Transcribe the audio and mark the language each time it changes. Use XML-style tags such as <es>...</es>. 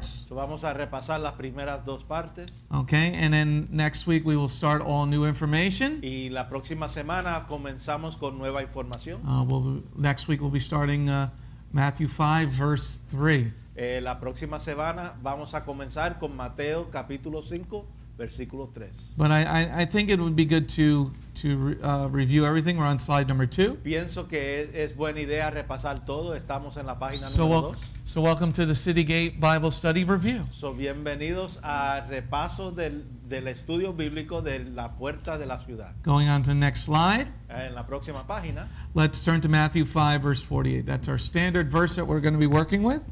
<es>Vamos a repasar las primeras dos partes.</es> <en>Okay, and then next week we will start all new information.</en> <es>Y la próxima semana comenzamos con nueva información.</es> <en>Next week we'll be starting Matthew 5, verse 3.</en> <es>La próxima semana vamos a comenzar con Mateo, capítulo 5, versículo 3.</es> <en>But I think it would be good to review everything. We're on slide number 2.</en> <es>Pienso que es buena idea repasar todo. Estamos en la página so número 2.</es> <en>So welcome to the City Gate Bible Study Review.</en> <es>So bienvenidos a repaso del estudio bíblico de la puerta de la ciudad.</es> <en>Going on to the next slide.</en> <es>En la próxima página.</es> <en>Let's turn to Matthew 5, verse 48. That's our standard verse that we're going to be working with.</en>